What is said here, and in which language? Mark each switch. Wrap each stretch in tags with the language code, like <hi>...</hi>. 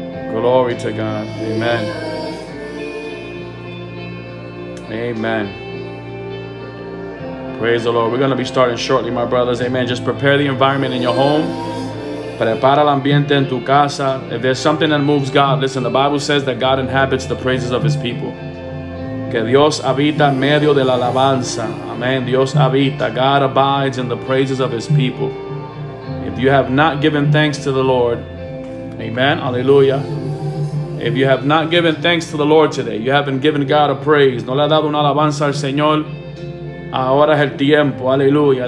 <en>Glory to God. Amen. Amen. Praise the Lord. We're going to be starting shortly, my brothers. Amen. Just prepare the environment in your home.</en> <es>Prepara el ambiente en tu casa.</es> <en>If there's something that moves God, listen, the Bible says that God inhabits the praises of his people.</en> <es>Que Dios habita en medio de la alabanza. Amen. Dios habita.</es> <en>God abides in the praises of his people. If you have not given thanks to the Lord, amen. Hallelujah. If you have not given thanks to the Lord today, you haven't given God a praise.</en> <es>No le ha dado una alabanza al Señor. Ahora es el tiempo. Aleluya.</es>